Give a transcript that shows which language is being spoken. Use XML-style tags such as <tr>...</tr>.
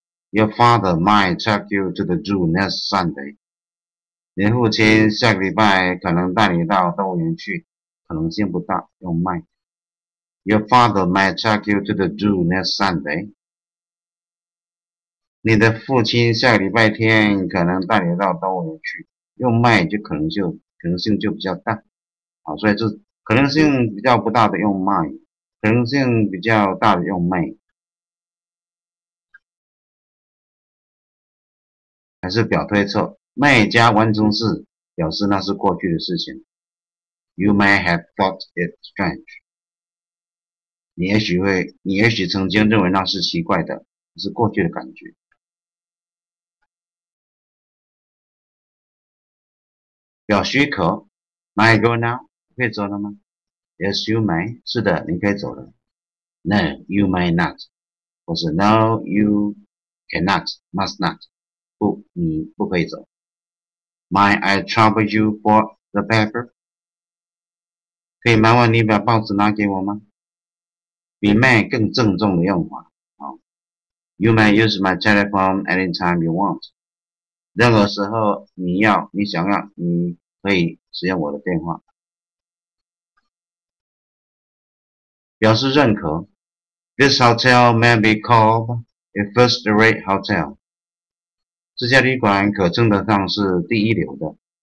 <en>Your father might take you to the zoo next Sunday.</en> <zh>你父亲下个礼拜可能带你到动物园去，可能性不大，用 might.</zh> <en>Your father might take you to the zoo next Sunday.</en> <zh>你的父亲下个礼拜天可能带你到动物园去，用 might 就可能性比较大。好，所以这可能性比较不大的用 may， 可能性比较大的用 may， 还是表推测。 may 加完成式表示那是过去的事情。</zh> <en>You may have thought it strange。</en> <zh>你也许曾经认为那是奇怪的，是过去的感觉。表许可。</zh> <en>May I go now？</en> <zh>可以走了吗？</zh> <en>Yes, you may.</en> <zh>是的，你可以走了。</zh> <en>No, you may not.</en> <zh>或是</zh> <en>No, you cannot, must not.</en> <zh>不，你不可以走。</zh> <en>May I trouble you for the paper?</en> <zh>可以麻烦你把报纸拿给我吗？比 may 更郑重的用法。好。</zh> <en>You may use my telephone anytime you want.</en> <zh>任何时候你想要，你可以使用我的电话。表示认可。</zh> <en>This hotel may be called a first-rate hotel.</en> <zh>这家旅馆可称得上是第一流的。</zh>